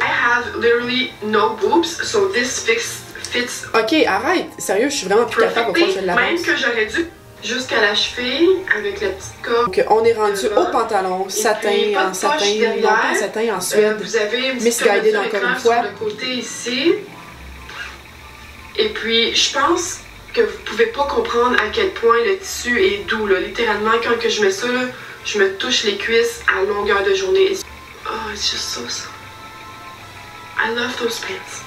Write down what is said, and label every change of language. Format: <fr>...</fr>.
<en>I have literally no boobs, so this fits.</en> <fr>Ok, arrête. Sérieux, je suis vraiment plus capable pourquoi je l'avance. Même que j'aurais dû jusqu'à la cheville avec la petite corde. Donc, on est rendu au pantalon satin, puis, en satin, longtemps satin en suède. Vous avez une petite misguided encore une fois. Sur le côté ici. Et puis, je pense que vous pouvez pas comprendre à quel point le tissu est doux. Là. Littéralement, quand que je mets ça, là, je me touche les cuisses à longueur de journée.</fr> <en>Oh, it's just so soft. I love those pants.</en>